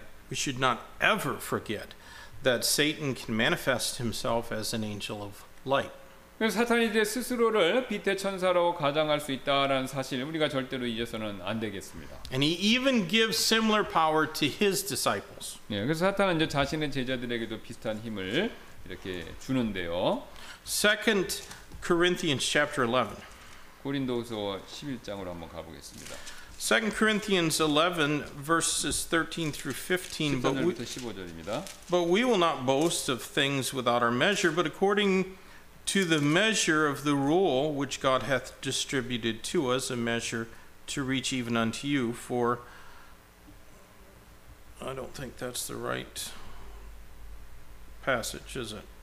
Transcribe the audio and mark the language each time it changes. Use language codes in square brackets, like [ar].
[en] We should not ever forget that Satan can manifest himself as an angel of light. [ko] 사탄이 이제 스스로를 빛의 천사로 가장할 수 있다라는 사실 우리가 절대로 잊어서는 안 되겠습니다. [en] And he even gives similar power to his disciples. [ko] 예, 그래서 사탄은 이제 자신의 제자들에게도 비슷한 힘을 이렇게 주는데요. [en] 2 Corinthians chapter 11. [ko] 고린도서 11장으로 한번 가보겠습니다. [en] 2 Corinthians 11, verses 13 through 15. But we will not boast of things without our measure, but according to the measure of the rule which God hath distributed to us, a measure to reach even unto you. For I don't think that's the right passage, is it?